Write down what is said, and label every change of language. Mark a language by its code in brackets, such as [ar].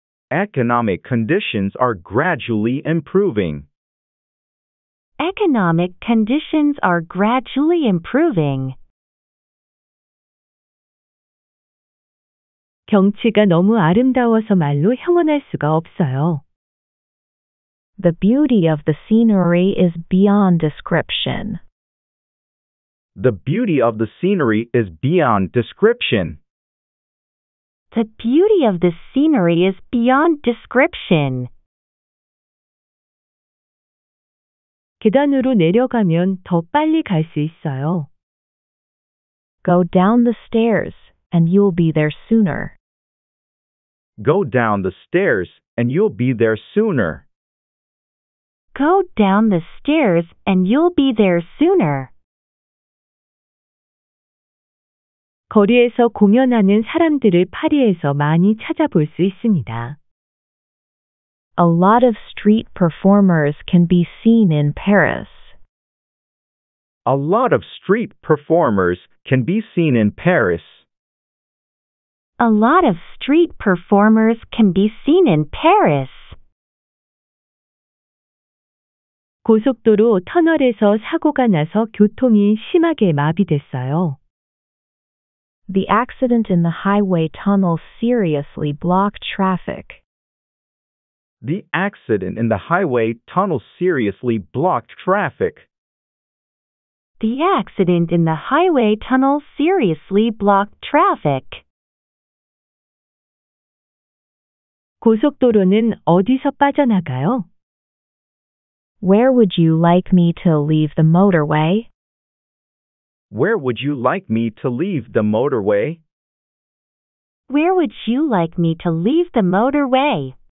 [en] Economic conditions are gradually improving. Economic conditions are gradually improving. [ko] 경치가 너무 아름다워서 말로 형언할 수가 없어요. [en] The beauty of the scenery is beyond description. The beauty of the scenery is beyond description. The beauty of the scenery is beyond description. [ko] 계단으로 내려가면 더 빨리 갈 수 있어요. [en] Go down the stairs and you'll be there sooner. Go down the stairs and you'll be there sooner. Go down the stairs and you'll be there sooner. [ko] 거리에서 공연하는 사람들을 파리에서 많이 찾아볼 수 있습니다. [en] A lot of street performers can be seen in Paris. A lot of street performers can be seen in Paris. A lot of street performers can be seen in Paris. [ko] 고속도로 터널에서 사고가 나서 교통이 심하게 마비됐어요. [en] The accident in the highway tunnel seriously blocked traffic. The accident in the highway tunnel seriously blocked traffic. The accident in the highway tunnel seriously blocked traffic. [ko] 고속도로는 어디서 빠져나가요? [en] Where would you like me to leave the motorway? Where would you like me to leave the motorway? Where would you like me to leave the motorway?